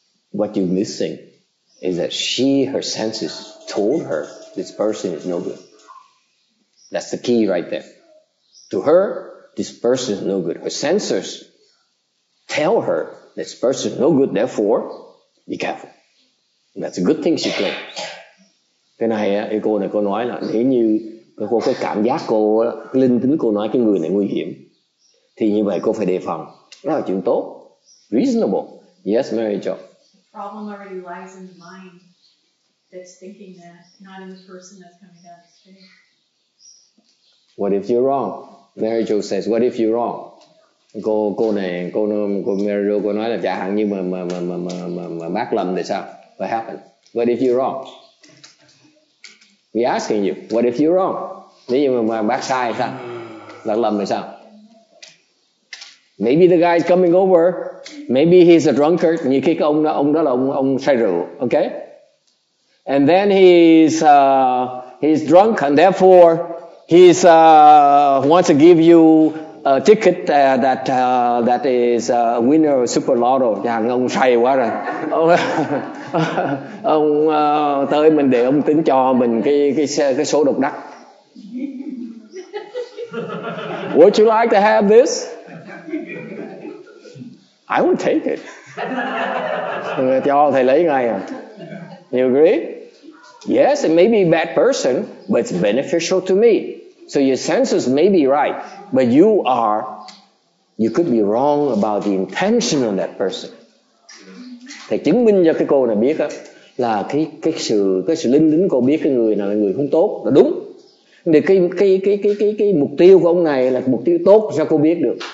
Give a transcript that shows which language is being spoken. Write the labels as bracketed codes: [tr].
[en] What you're missing is that she, her senses, told her this person is no good. That's the key right there. To her, this person is no good. Her senses tell her this person is no good, therefore, be careful. And that's a good thing she claims. [vi] Cái này ấy, cô này cô nói là nếu như cô có cảm giác cô linh tính cô nói cái người này nguy hiểm thì như vậy cô phải đề phòng. Đó là chuyện tốt. Reasonable. Yes, Mary Jo. [en] The problem already lies in the mind that's thinking that, not in the person that's coming down the street. What if you're wrong? Mary Jo says, what if you're wrong? [vi] Cô này cô Mary Jo cô nói là chả hạn như mà bác lầm thì sao? [en] What happened? What if you're wrong? We asking you, what if you're wrong? [vi] Nếu như mà bác sai thì sao? Bác lầm thì sao? [en] Maybe the guy is coming over. Maybe he's a drunkard. [vi] Như khi cái ông đó là ông say rượu, okay? [en] And then he's drunk and therefore he's wants to give you a ticket that is a winner of super lotto. [vi] Chàng ông say quá rồi. Ông tới mình để ông tính cho mình cái số độc đắc. [en] Would you like to have this? I would take it. [vi] Cho thầy lấy ngay à. [en] You agree? Yes, it may be a bad person, but it's beneficial to me. So your senses may be right, but you could be wrong about the intention of that person. [vi] Thầy chứng minh cho cái cô này biết á, là cái sự linh tính cô biết cái người này là người không tốt là đúng. Thì cái mục tiêu của ông này là mục tiêu tốt, sao cô biết được?